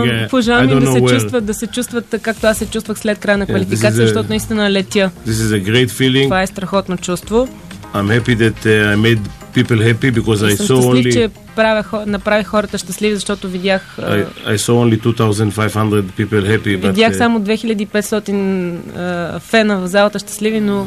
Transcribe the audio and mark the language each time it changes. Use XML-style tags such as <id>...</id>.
<bg>Пожелавам им да се чувстват както аз се чувствах след края на квалификация, защото наистина летя.</bg> <en>This is a great feeling.</en> <bg>Това е страхотно чувство.</bg> <en>I'm happy that I made people happy because I saw only.</en> <bg>Че направих хората щастливи, защото видях.</bg> <en>I saw only 2,500 people happy.</en> <bg>Видях само 2,500 фена в залата щастливи, но.</bg>